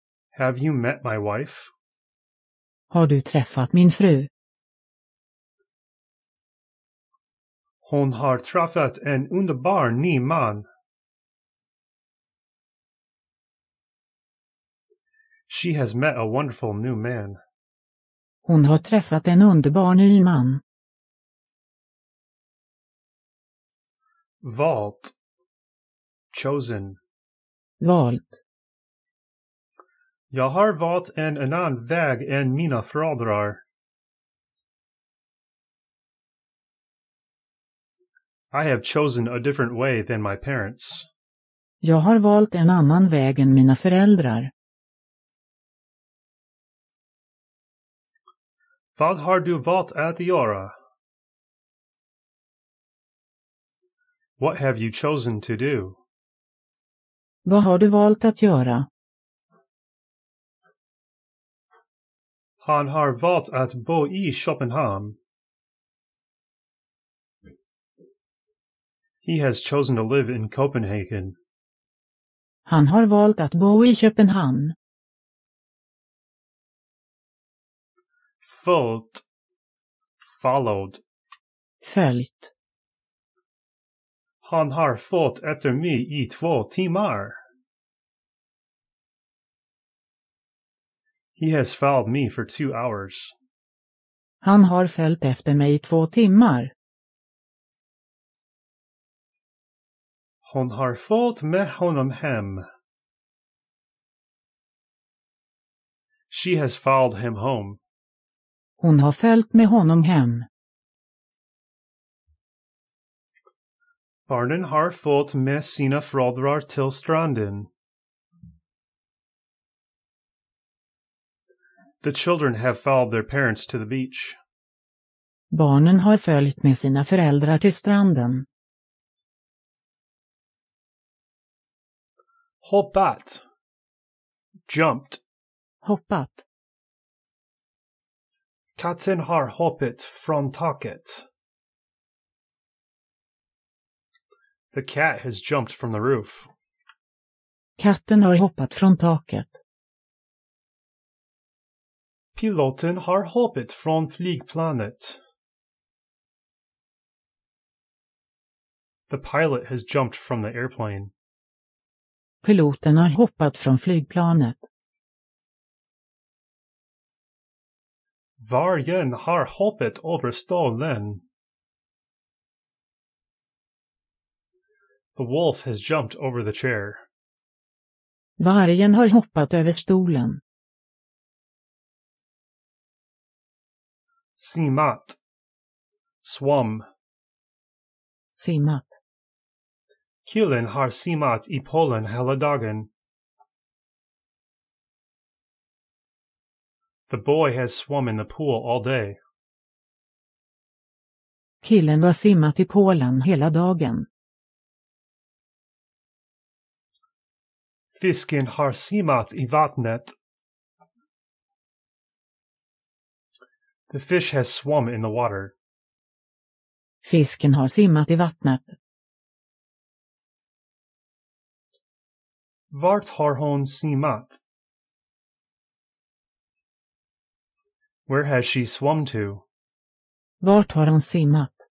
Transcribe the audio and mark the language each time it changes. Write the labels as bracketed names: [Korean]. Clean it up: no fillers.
[English] Have you met my wife? [Swedish] Har du träffat min fru? Hon har träffat en underbar ny man. [English] She has met a wonderful new man. [Swedish] Hon har träffat en underbar ny man. Valt. [English] Chosen. [Swedish] Valt. Jag har valt en annan väg än mina föräldrar. [English] I have chosen a different way than my parents. [Swedish] Jag har valt en annan väg än mina föräldrar. Vad har du valt att göra? [English] What have you chosen to do? [Swedish] Vad har du valt att göra? Han har valt att bo i Köpenhamn. [English] He has chosen to live in Copenhagen. [Swedish] Han har valt att bo i Köpenhamn. Följt. [English] Followed. [Swedish] Följt. Han har följt efter mig i 2 timmar. [English] He has followed me for 2 hours. [Swedish] Han har följt efter mig i 2 timmar. Hon har följt med honom hem. [English] She has followed him home. [Swedish] Hon har följt med honom hem. Barnen har följt med sina föräldrar till stranden. [English] The children have followed their parents to the beach. [Swedish] Barnen har följt med sina föräldrar till stranden. Hoppat. [English] Jumped. [Swedish] Hoppat. Katten har hoppat från taket. [English] The cat has jumped from the roof. [Swedish] Katten har hoppat från taket. Piloten har hoppat från flygplanet. [English] The pilot has jumped from the airplane. [Swedish] Piloten har hoppat från flygplanet. Vargen har hoppat över stolen. [English] The wolf has jumped over the chair. [Swedish] Vargen har hoppat över stolen. Simmat. [English] Swum. [Swedish] Simmat. Killen har simmat i poolen hela dagen. [English] The boy has swum in the pool all day. [Swedish] Killen har simmat i poolen hela dagen. Fisken har simmat i vattnet. [English] The fish has swum in the water. [Swedish] Fisken har simmat i vattnet. Vart har hon simmat? [English] Where has she swum to? [Swedish] Vart har hon simmat?